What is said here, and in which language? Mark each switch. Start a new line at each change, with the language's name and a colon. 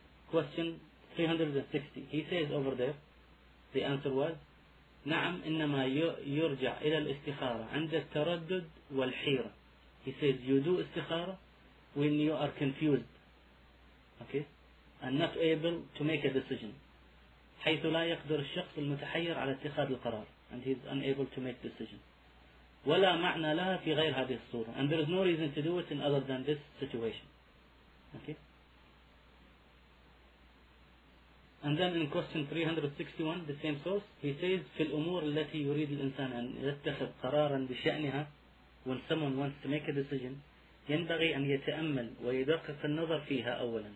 English: Question 360. He says over there, the answer was,
Arabic: نعم إنما يرجع إلى الاستخارة عند التردد والحيرة.
English: He says, you do istikhara when you are confused, okay, and not able to make a decision.
Arabic: حيث لا يقدر الشخص المتحير على اتخاذ القرار,
English: and he is unable to make decision.
Arabic: ولا معنى لها في غير هذه الصورة,
English: and there is no reason to do it in other than this situation. Okay. And then in question 361, the same source, he says,
Arabic: في الأمور التي يريد الإنسان أن يتخذ قرارا بشأنها,
English: when someone wants to make a decision,
Arabic: ينبغي أن يتأمل ويدقق النظر فيها أولا.